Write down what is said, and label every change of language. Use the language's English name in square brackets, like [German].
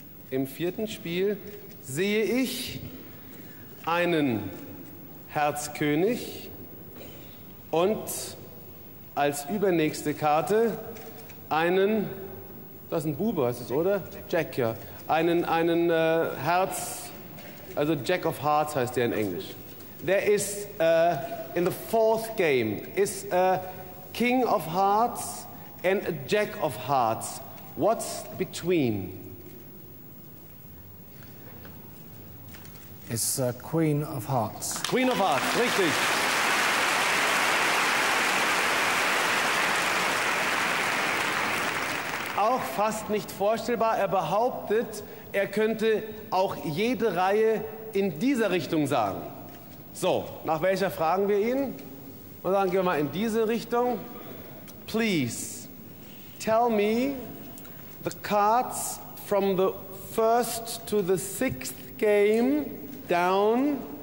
[German] Im vierten Spiel sehe ich einen Herzkönig und als übernächste Karte einen, das ist ein Bube, heißt es, oder? Jack, ja. Einen Herz, also [English] Jack of Hearts [German] heißt der in Englisch. [English] There is, in the fourth game, is a King of Hearts and a Jack of Hearts. What's between? It's a Queen of Hearts. Queen of Hearts, [German] richtig. Auch fast nicht vorstellbar. Er behauptet, er könnte auch jede Reihe in dieser Richtung sagen. So, nach welcher fragen wir ihn? Und dann gehen wir mal in diese Richtung. [English] Please, tell me the cards from the first to the sixth game down.